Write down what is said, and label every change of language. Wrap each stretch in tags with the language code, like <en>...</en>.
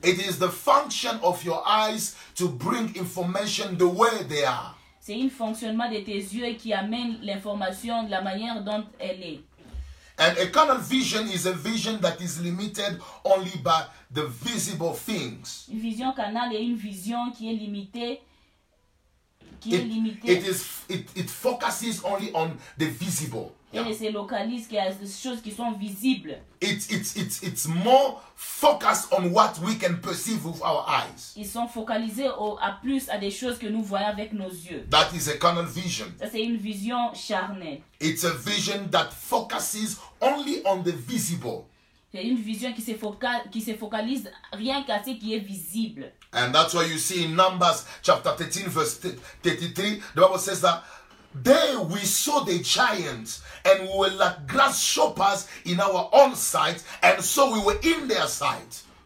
<en>It is the function of your eyes to bring information the way they are.</en> <fr>C'est un fonctionnement de tes yeux qui amène l'information de la manière dont elle est.</fr> <en>And a carnal vision is a vision that is limited only by the visible things.</en> <fr>Une vision carnale est une vision qui est limitée. Qui est limitée.</fr> <en>It focuses only on the visible.</en> <fr>Elle se localise qu'à des choses qui sont visibles.</fr> <en>It's more focused on what we can perceive with our eyes.</en> <fr>Ils sont focalisés à plus à des choses que nous voyons avec nos yeux.</fr> <en>That is a carnal vision.</en> <fr>Ça, c'est une vision charnelle.</fr> <en>It's a vision that focuses only on the visible.</en> <fr>C'est une vision qui se focalise rien qu'à ce qui est visible.</fr> <en>And that's why you see in Numbers chapter 13 verse 33, the Bible says that there we saw the giants and we were like grasshoppers in our own sight, and so we were in their sight.</en>